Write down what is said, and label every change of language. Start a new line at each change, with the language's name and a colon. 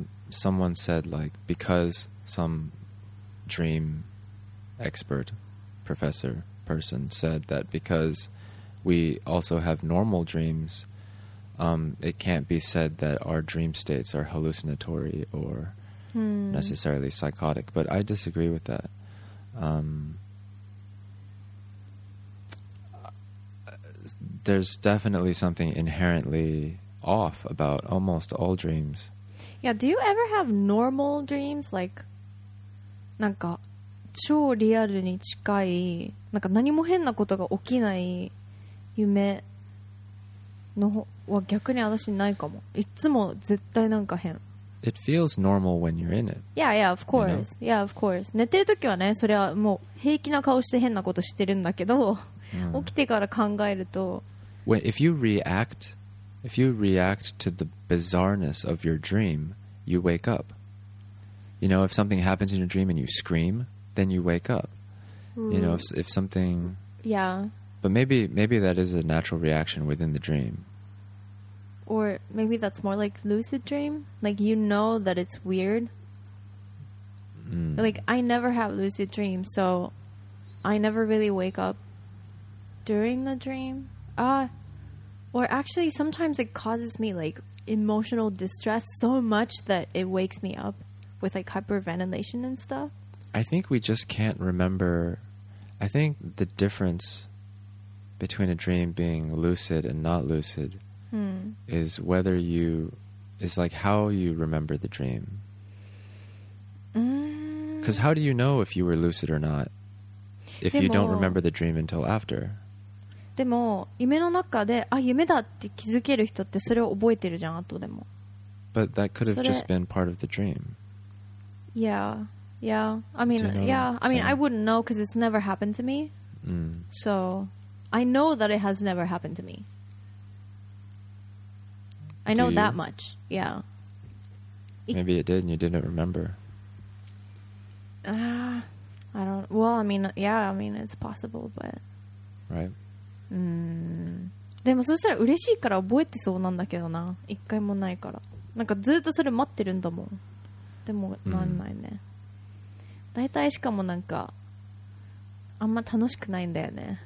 English: Someone said like because some dream expert professor person said that because we also have normal dreams, it can't be said that our dream states are hallucinatory ornecessarily psychotic, but I disagree with that. There's definitely something inherently off about almost all dreams. Yeah, do you ever have normal dreams?
Japanese: Like, なんか超リアルに近い、なんか何も変なことが起きない夢のは逆に私ないかも。いつも絶対なんか変。
English: It feels normal when you're in it. Yeah, yeah, of course. You know? Yeah, of course.
Japanese: 寝てるときはね、それはもう平気な顔して変なことしてるんだけど、起きてから考えると、
English: When, if you react, If you react to the bizarreness of your dream, you wake up. You know, if something happens in your dream and you scream, then you wake up. Mm. You know, if something... Yeah. But maybe that is a natural reaction within the dream. Or maybe that's more like lucid dream. Like, you know that it's weird. Mm. Like, I never have lucid dreams, so I never really wake up during the dream. Or actually, sometimes it causes me, like, emotional distress so much that it wakes me up with, like, hyperventilation and stuff. I think we just can't remember. I think the difference between a dream being lucid and not lucid is whether you... is, like, how you remember the dream. Because how do you know if you were lucid or not if you don't remember the dream until after?
Japanese: でも夢の中で、あ、夢だって気づける人ってそれを覚えてるじゃん、後でも。
English: But that could have just been part of the dream. Yeah, yeah. I mean, I mean, I wouldn't know because it's never happened to me. So, I know that it has never happened to me. I know that much, yeah. Maybe it did and you didn't remember. I don't... Well, I mean, yeah, I mean, it's possible, but... Right.
Japanese: でもそしたら嬉しいから覚えてそうなんだけどな。一回もないから。なんかずっとそれ待ってるんだもん。でもなんないね。大体しかもなんか、あんま楽しくないんだよね。